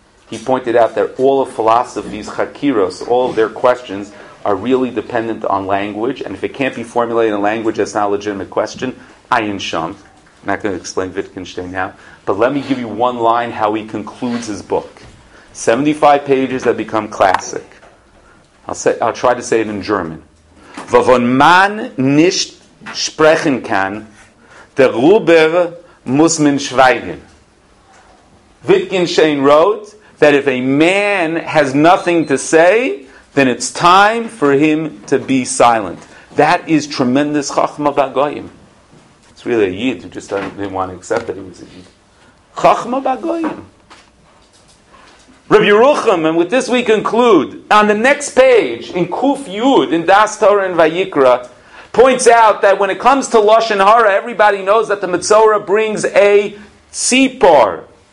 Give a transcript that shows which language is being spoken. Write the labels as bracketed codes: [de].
[en] He pointed out that all of philosophy's chakiros, all of their questions, are really dependent on language, and if it can't be formulated in language, that's not a legitimate question. Ayin Shom. I'm not going to explain Wittgenstein now, but let me give you one line how he concludes his book. 75 pages that become classic. I'll try to say it in German. [de] Wovon man nicht sprechen kann, darüber muss man schweigen. [en] Wittgenstein wrote that if a man has nothing to say, then it's time for him to be silent. That is tremendous Chachma Bagoyim. It's really a Yid who just didn't want to accept that he was a Yid. Chachma Bagoyim. Rabbi Yeruchim, and with this we conclude, on the next page, in Kuf Yud, in Das Torah and Vayikra, points out that when it comes to Lashon Hara, everybody knows that the Metzora brings a Tzipor.